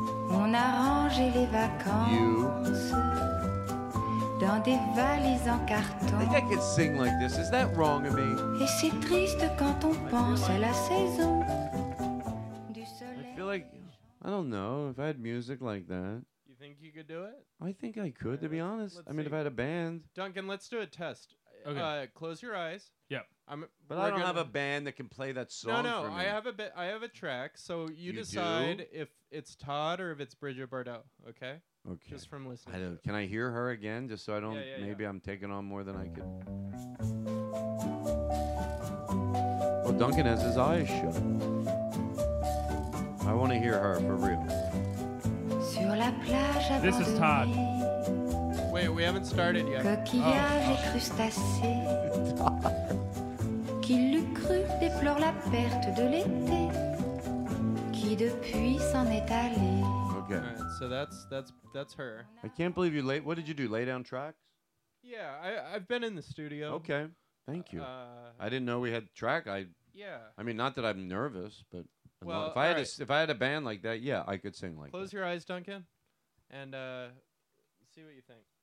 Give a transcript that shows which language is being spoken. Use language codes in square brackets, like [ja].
[fr] On a rangé les vacances [en] you. [fr] Dans des valises en carton. [en] I think I could sing like this. Is that wrong of me? [fr] Et c'est triste quand on pense à la saison du soleil. [en] I feel like, I don't know, if I had music like that. You think you could do it? I think I could, yeah, to be honest. I mean, see. If I had a band. Duncan, let's do a test. Okay. Close your eyes. Yep. But I don't have a band that can play that song. No, for me. I have a track. So you decide do? If it's Todd or if it's Bridget Bardot. Okay. Okay. Just from listening. Can I hear her again? Just so I don't. Yeah, yeah, maybe yeah. I'm taking on more than I could. Well, Duncan has his eyes shut. I want to hear her for real. [fr] Sur la plage [en] this is Todd. Wait, we haven't started yet. [fr] Coquillage oh. crustacé. Qui l'eût cru déplore la perte de l'été qui depuis s'en est allé. [en] Okay. Right, so that's her. I can't believe you what did you do? Lay down tracks? Yeah, I've been in the studio. Okay. Thank you. I didn't know we had track. Yeah. I mean, not that I'm nervous, but Well, if I had right. if I had a band like that, yeah, I could sing like Close that. Close your eyes, Duncan, and see what you think.